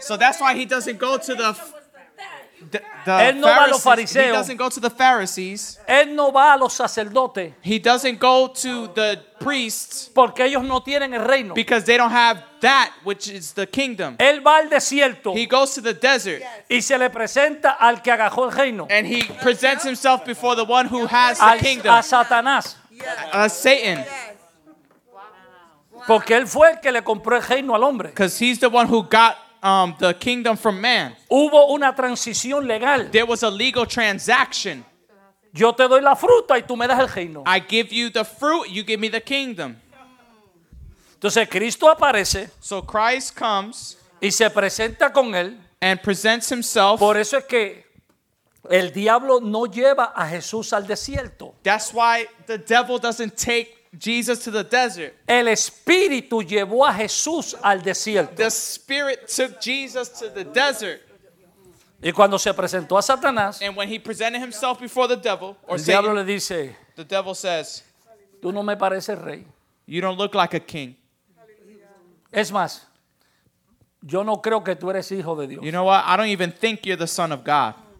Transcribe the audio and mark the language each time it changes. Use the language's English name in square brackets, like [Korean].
[English] So that's why he doesn't go to the [Spanish] él no va a los fariseos. [English] He doesn't go to the Pharisees. [Spanish] Él no va a los sacerdotes. [English] He doesn't go to the priests. [Spanish] Porque ellos no tienen el reino. [English] Because they don't have that which is the kingdom. [Spanish] Él va al desierto. [English] He goes to the desert. [Spanish] Y se le presenta al que agarró el reino. [English] And he presents himself before the one who has the kingdom. [Spanish] A Satanás. [English] A Satan. [Spanish] Porque él fue el que le compró el reino al hombre. [English] Because he's the one who got the kingdom from man. [Spanish] Hubo una transición legal. [English] There was a legal transaction. [Spanish] Yo te doy la fruta y tú me das el reino. [English] I give you the fruit, you give me the kingdom. [Spanish] Entonces Cristo aparece. [English] So Christ comes. [Spanish] Y se presenta con él. [English] And presents himself. [Spanish] Por eso es que el diablo no lleva a Jesús al desierto. [English] That's why the devil doesn't take Jesus to the desert. [Spanish] El espíritu llevó a Jesús al desierto. [English] The spirit took Jesus to the desert. [Spanish] Y cuando se presentó a Satanás, [English] and when he presented himself before the devil, or [Spanish] el diablo le dice, [English] the devil says, [Spanish] tú no me pareces rey. [English] You don't look like a king. [Spanish] Es más, yo no creo que tú eres hijo de Dios. [English] You know what? I don't even think you're the son of God.